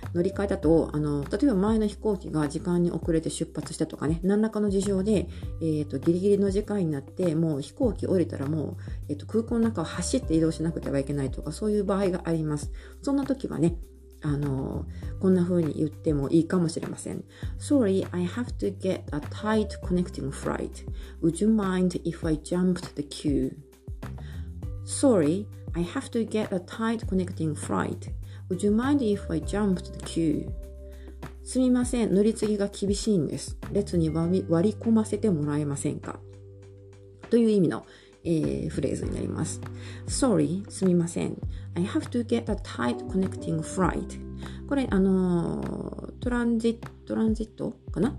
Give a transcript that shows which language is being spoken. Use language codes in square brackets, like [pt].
[ja] 乗り換えだと、例えば前の飛行機が時間に遅れて出発したとかね、何らかの事情で、ギリギリの時間になって、もう飛行機降りたらもう、空港の中を走って移動しなくてはいけないとか、そういう場合があります。そんな時はね、こんな風に言ってもいいかもしれません。 [en] Sorry, I have to get a tight connecting flight. Would you mind if I jumped the queue? Sorry, I have to get a tight connecting flight. Would you mind if I jumped the queue? [ja] すみません、乗り継ぎが厳しいんです。列に割り込ませてもらえませんか? という意味の、フレーズになります。 [en] Sorry, [ja] すみません。 [en] I have to get a tight connecting flight. [ja] これ、トランジットかな?